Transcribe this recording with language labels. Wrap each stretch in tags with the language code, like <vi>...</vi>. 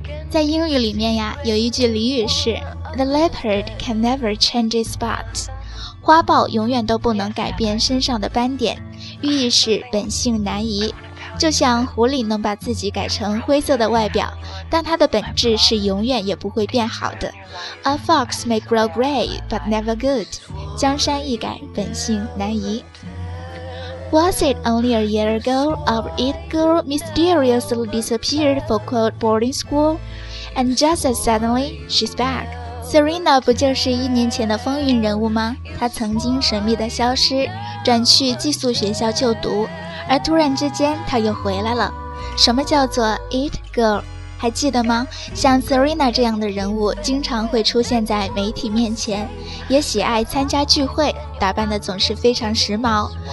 <zh>在英语里面呀，有一句俚语是</zh> <en>The leopard can never change his spots.</en> <zh>花豹永远都不能改变身上的斑点，寓意是本性难移。就像狐狸能把自己改成灰色的外表，但它的本质是永远也不会变好的。</zh> <en>A fox may grow gray, but never good.</en> <zh>江山易改，本性难移。</zh> <en>Was it only a year ago our it girl mysteriously disappeared for quote boarding school? And just as suddenly, she's back.</en> <zh>Serena 不就是一年前的风云人物吗？她曾经神秘的消失，转去寄宿学校就读，而突然之间他又回来了。什么叫做 It Girl? 还记得吗？像 Serena 这样的人物经常会出现在媒体面前，也喜爱参加聚会，打扮的总是非常时髦。</zh>